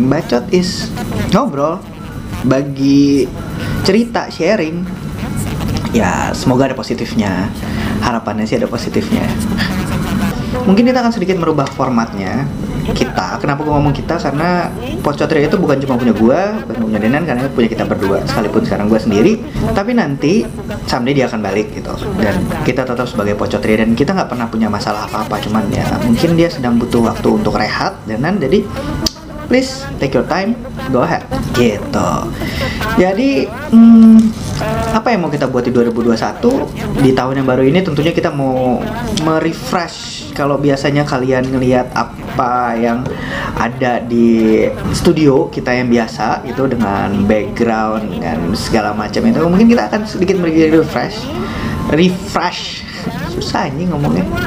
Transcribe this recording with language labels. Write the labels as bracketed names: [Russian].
[Indonesian] Bacot is ngobrol, bagi cerita, sharing. Ya, semoga ada positifnya. Harapannya sih ada positifnya. Mungkin kita akan sedikit merubah formatnya. Kita, kenapa gue ngomong kita? Karena Pocotria itu bukan cuma punya gue, bukan punya Denan, karena punya kita berdua. Sekalipun sekarang gue sendiri, tapi nanti someday dia akan balik gitu. Dan kita tetap sebagai Pocotria, dan kita gak pernah punya masalah apa-apa. Cuman ya, mungkin dia sedang butuh waktu untuk rehat, Denan. Jadi, [English] please, take your time, go ahead. [Indonesian] Gitu. Jadi, apa yang mau kita buat di 2021? Di tahun yang baru ini tentunya kita mau merefresh. Kalau biasanya kalian ngelihat apa yang ada di studio kita yang biasa itu dengan background dan segala macam itu, mungkin kita akan sedikit merefresh. Refresh. Susah nih ngomongnya.